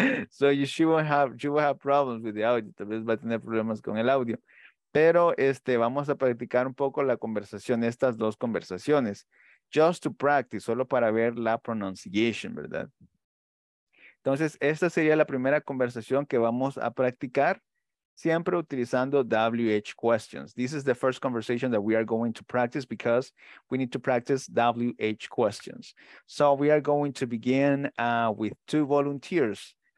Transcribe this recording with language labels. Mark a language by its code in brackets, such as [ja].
[en] So you won't have problems with the audio. [es] Tal vez va a tener problemas con el audio. Pero vamos a practicar un poco la conversación, estas dos conversaciones. [en] Just to practice, [es] solo para ver la pronunciation, ¿verdad? Entonces, esta sería la primera conversación que vamos a practicar, siempre utilizando WH questions. [en] This is the first conversation that we are going to practice because we need to practice WH questions. So we are going to begin with two volunteers.